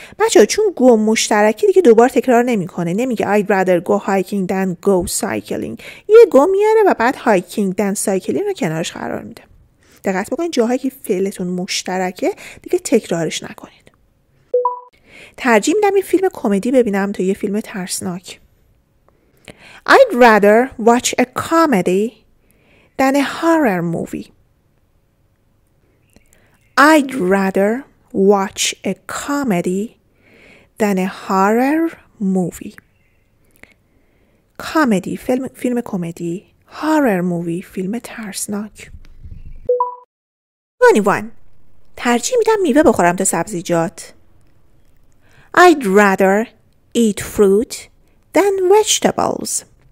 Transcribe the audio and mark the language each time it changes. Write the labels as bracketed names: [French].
[Persian] بچه‌ها چون گو مشترکی دیگه دوبار تکرار نمی‌کنه، نمیگه [English] I'd rather go hiking than go cycling. [Persian] یه گو میاره و بعد [English] hiking than cycling [Persian] رو کنارش قرار میده. دقت بکنید جاهایی که فعلتون مشترکه دیگه تکرارش نکنید. ترجیح میدم یه فیلم کمدی ببینم تا یه فیلم ترسناک. [English] I'd rather watch a comedy than a horror movie. I'd rather watch a comedy than a horror movie. [Persian] کمدی فیلم کمدی، [English] horror movie [Persian] فیلم ترسناک. 21 ترجیح میدم میوه بخورم تا سبزیجات. [English] I'd rather eat fruit than vegetables.